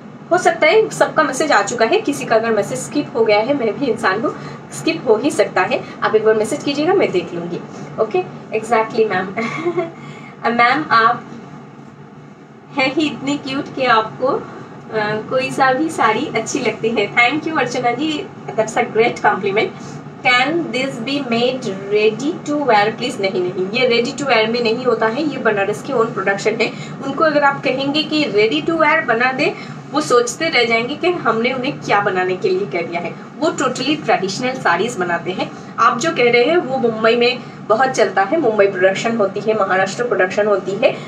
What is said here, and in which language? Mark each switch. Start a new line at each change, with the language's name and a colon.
Hindi: हो सकता है सबका मैसेज आ चुका है, किसी का अगर मैसेज स्किप हो गया है, मैं भी इंसान हूँ, स्किप हो ही सकता है. आप एक बार मैसेज कीजिएगा, मैं देख लूंगी. Okay, exactly ma'am. मैम आप हैं ही इतनी क्यूट कि आपको कोई सा भी साड़ी अच्छी लगती है.
English: Thank you Archana ji, that's a great compliment. Can this be made ready to wear?
Hindi: Please, नहीं नहीं, ये ready to wear में नहीं होता है. ये बनारस की own production है. उनको अगर आप कहेंगे कि ready to wear बना दे, वो सोचते रह जाएंगे कि हमने उन्हें क्या बनाने के लिए कह दिया है. वो totally traditional साड़ीज बनाते हैं. आप जो कह रहे हैं वो मुंबई में बहुत चलता है, मुंबई production होती है, महाराष्ट्र production होती है.